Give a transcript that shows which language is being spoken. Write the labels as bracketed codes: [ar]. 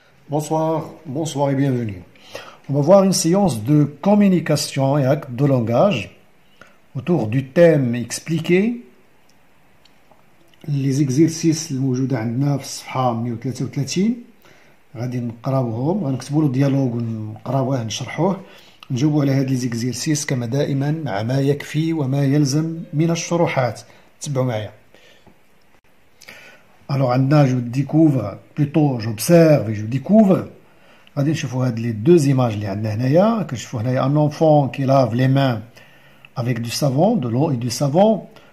[fr] Bonsoir, bonsoir et bienvenue. On va voir une séance de communication et actes de langage autour du thème expliquer les exercices les mots de 9 صفحة 133. [ar] غادي نقراوهم غنكتبوا له ديالوج ونقراوه نشرحوه نجاوبوا على هاد لي زيكزيرسيس كما دائما مع ما يكفي وما يلزم من الشروحات. تبعوا معايا. [fr] Alors, je découvre, plutôt j'observe et je découvre. Je vois les deux images. Je vois un enfant qui lave les mains avec du savon, de l'eau et du savon.